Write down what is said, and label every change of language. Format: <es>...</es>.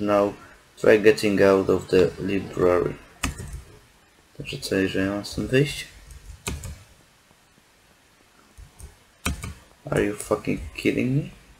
<en>Now try getting out of the library.</en> <pl>Także co, jeżeli mam stąd wyjść?</pl> <en>Are you fucking kidding me?</en>